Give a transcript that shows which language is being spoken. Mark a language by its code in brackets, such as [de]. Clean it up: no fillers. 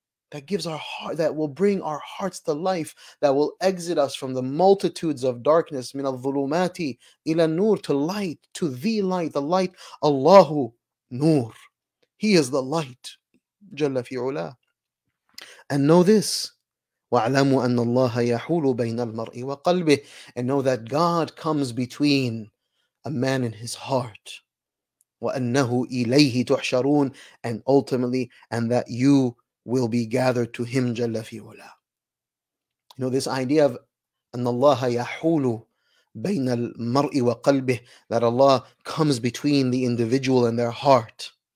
[en] That gives our heart, that will bring our hearts to life, that will exit us from the multitudes of darkness, [ar] min al-dhulumati ila nur, [en] to light, to the light, the light, Allahu nur. He is the light, jalla fi ula. And know this, [ar] وَعْلَمُوا أَنَّ اللَّهَ يَحُولُ بَيْنَ الْمَرْءِ وَقَلْبِهِ. [en] And know that God comes between a man in his heart. [ar] وَأَنَّهُ إِلَيْهِ تُحْشَرُونَ. [en] And ultimately, and that you will be gathered to him jalla fi ula. You know, this idea of [ar] an Allah yahulu bayn al mar'i wa qalbih, [en] that Allah comes between the individual and their heart.